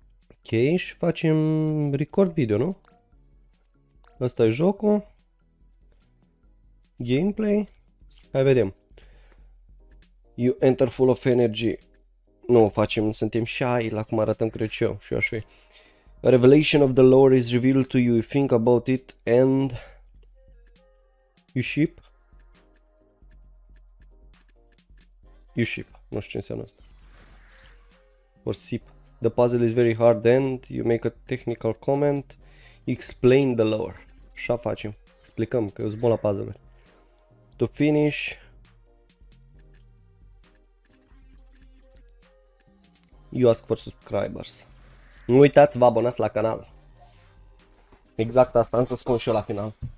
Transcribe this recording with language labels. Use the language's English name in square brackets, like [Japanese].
[Romanian] Ok, și facem record video, nu? Asta e jocul. Gameplay. Hai vedem. [English] You enter full of energy. [Romanian] Nu, facem, suntem shy la cum arătăm, cred și eu, și eu aș fi. [English] A revelation of the lore is revealed to you. Think about it and you ship. You ship. [Romanian] Nu știu ce înseamnă asta. [English] Or sip. The puzzle is very hard and you make a technical comment. Explain the lore. [Romanian] Așa facem. Explicăm că eu sunt bun la puzzle-uri. [English] To finish. You ask for subscribers. [Romanian] Nu uitați, vă abonați la canal. Exact asta am să spun și eu la final.